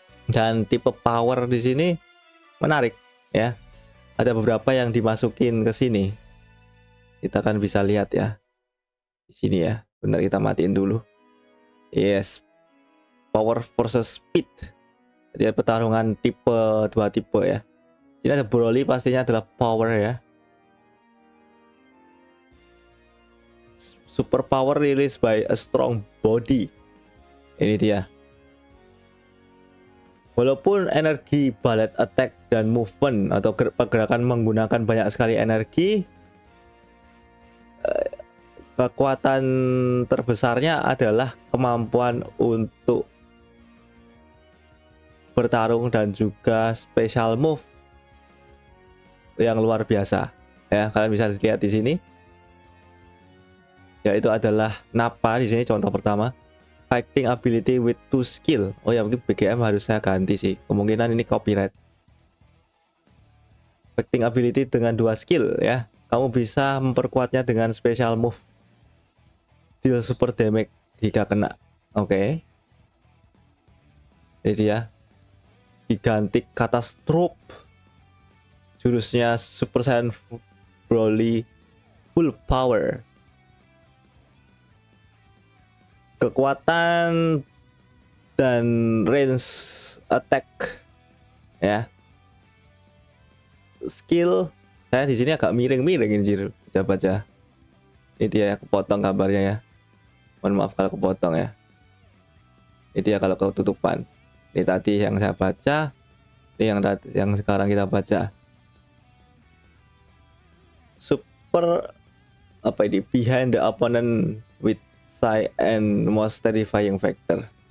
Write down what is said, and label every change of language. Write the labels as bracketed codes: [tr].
[id] Dan tipe power di sini menarik ya, ada beberapa yang dimasukin ke sini, kita akan bisa lihat ya di sini ya. Bentar kita matiin dulu. [en] Yes, power versus speed. [id] Jadi pertarungan tipe, dua tipe ya. Ini ada Broly, pastinya adalah power ya. [en] Super power released by a strong body. [id] Ini dia. Walaupun energi ballet attack dan movement atau pergerakan menggunakan banyak sekali energi, kekuatan terbesarnya adalah kemampuan untuk bertarung dan juga special move yang luar biasa ya. Kalian bisa lihat di sini, yaitu adalah Nappa. Di sini contoh pertama, [en] fighting ability with two skill. [id] Oh ya, mungkin BGM harus saya ganti sih, kemungkinan ini copyright. Fighting ability dengan dua skill ya, kamu bisa memperkuatnya dengan special move, [en] deal super damage [id] jika kena. Oke, okay. Ini dia gigantic catastrophe, jurusnya Super Saiyan Broly full power. Kekuatan dan range attack ya, skill saya di sini agak miring-miring anjir, baca-baca. Ini dia ya, kepotong gambarnya ya, mohon maaf kalau kepotong ya. Ini dia kalau ketutupan. Ini tadi yang saya baca, ini yang sekarang kita baca. Super apa ini, [en] behind the opponent with size and most terrifying factor.